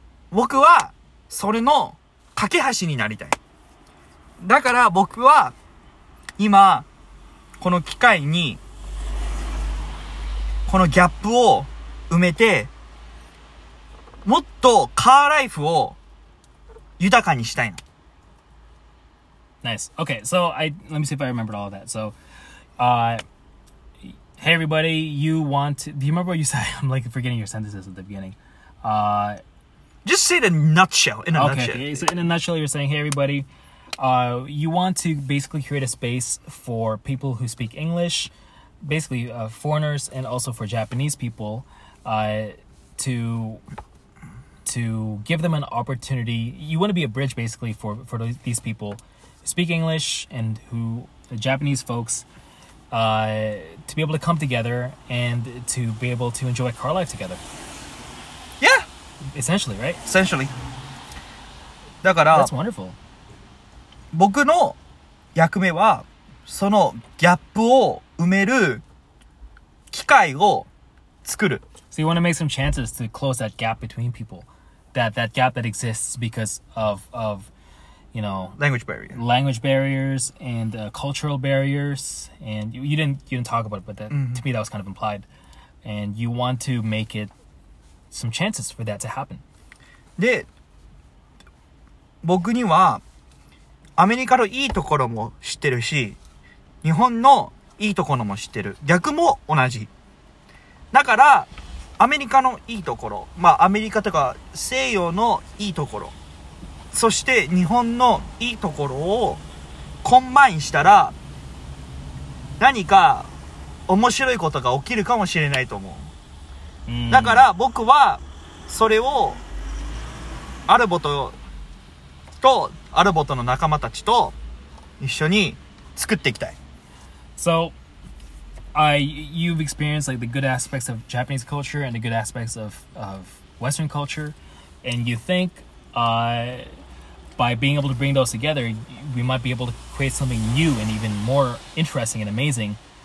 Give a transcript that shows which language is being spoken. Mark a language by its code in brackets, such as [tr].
[ja] 僕は、それの架け橋になりたい。だから僕は、今、この機会に、このギャップを埋めて、もっとカーライフを豊かにしたいの。 [en] Nice. Okay, so let me see if I remembered all of that. So, hey everybody, do you remember what you said? I'm like forgetting your sentences at the beginning. Just say it in a nutshell. Okay, so in a nutshell, you're saying, hey everybody, you want to basically create a space for people who speak English, basically foreigners, and also for Japanese people, to give them an opportunity. You want to be a bridge, basically, for these people speak English and who the Japanese folks to be able to come together and to be able to enjoy car life together. Yeah. Essentially, right? Essentially. だから、 That's wonderful. [ja] 僕の役目はそのギャップを埋める機会を作る。 [en] So you want to make some chances to close that gap between people. That gap that exists because of you know, language barriers and cultural barriers, and you didn't talk about it, but that, mm-hmm. to me that was kind of implied, and you want to make it some chances for that to happen. [ja] で、僕にはアメリカのいいところも知ってるし、日本のいいところも知ってる。逆も同じ。だからアメリカのいいところ、まあアメリカとか西洋のいいところ。そして日本のいいところをコンバインしたら何か面白いことが起きるかもしれないと思う。だから僕はそれをアルボトの仲間たちと一緒に作っていきたい。 [en] So, you've experienced like the good aspects of Japanese culture and the good aspects of Western culture, and you think, by being able to bring those together, we might be able to create something new and even more interesting and amazing.